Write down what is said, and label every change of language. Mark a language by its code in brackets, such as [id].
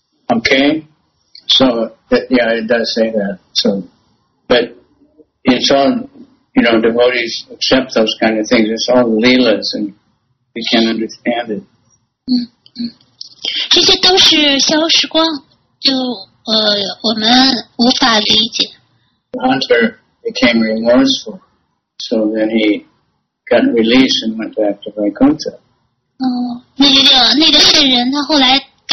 [en] Okay, so yeah, it does say that. So, but it's all, you know, devotees accept those kind of things. It's all leelas, and we can't understand it. [zh] 这些都是消时光，就我们无法理解。 [en] Hunter became remorseful. So then he got released and went back to Vaikuntha. Oh, that poor man, he later felt very arrogant.